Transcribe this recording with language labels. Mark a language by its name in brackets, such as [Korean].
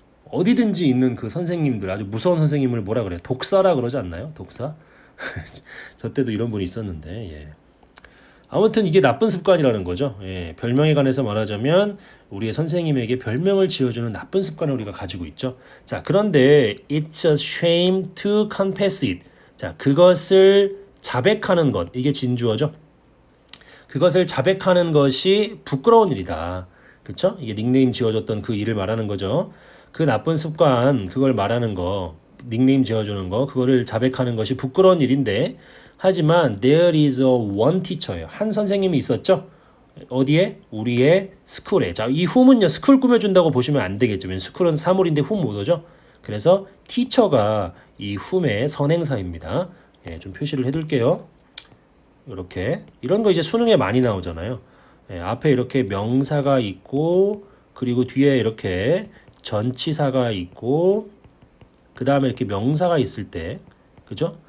[Korean] 어디든지 있는 그 선생님들, 아주 무서운 선생님을 뭐라 그래요? 독사라 그러지 않나요? 독사? 저 때도 이런 분이 있었는데, 예. 아무튼 이게 나쁜 습관이라는 거죠. 예. 별명에 관해서 말하자면 우리의 선생님에게 별명을 지어주는 나쁜 습관을 우리가 가지고 있죠. 자, 그런데 [English] it's a shame to confess it. [Korean] 자, 그것을 자백하는 것, 이게 진주어죠. 그것을 자백하는 것이 부끄러운 일이다. 그렇죠? 이게 닉네임 지어줬던 그 일을 말하는 거죠. 그 나쁜 습관, 그걸 말하는 거, 닉네임 지어주는 거, 그거를 자백하는 것이 부끄러운 일인데. 하지만 [English] there is a one teacher예요. [Korean] 한 선생님이 있었죠? 어디에? 우리의 스쿨에. 자, 이 whom은요, 스쿨 꾸며준다고 보시면 안 되겠죠. 스쿨은 사물인데 whom 모더죠. 그래서 teacher가 이 whom의 선행사입니다. 예, 좀 표시를 해둘게요. 이렇게 이런 거 이제 수능에 많이 나오잖아요. 예, 앞에 이렇게 명사가 있고 그리고 뒤에 이렇게 전치사가 있고 그 다음에 이렇게 명사가 있을 때, 그죠?